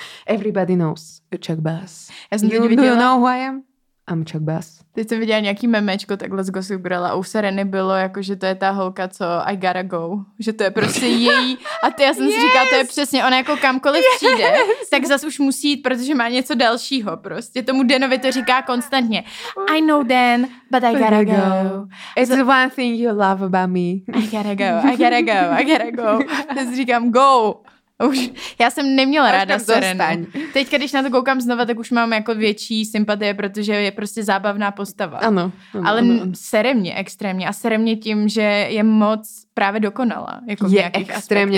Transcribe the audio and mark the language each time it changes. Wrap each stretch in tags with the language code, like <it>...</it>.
<en>Everybody knows you're Chuck Bass.</en> <sk>Ja som</sk> <en>you</en> <cs>viděla...</cs> <en>do you know who I am? I'm Chuck Bass.</en> <cs>Teď jsem viděla nějaký memečko takhle z Gossip Girl a u Sereny bylo jako, že to je ta holka, co</cs> <en>I gotta go.</en> <cs>Že to je prostě její. A to já jsem si říkala, to je přesně, ona jako kamkoliv přijde, tak zas už musí jít, protože má něco dalšího prostě. Tomu Danovi to říká konstantně.</cs> <en>I know Dan, but I gotta go. It's the one thing you love about me. I gotta go.</en> <cs>Teď říkám go. Už, já jsem neměla ráda Serenu. Teď, když na to koukám znova, tak už mám jako větší sympatie, protože je prostě zábavná postava. Ano. Ale seremně extrémně. A seremně tím, že je moc právě dokonala. Jako je extrémně</cs>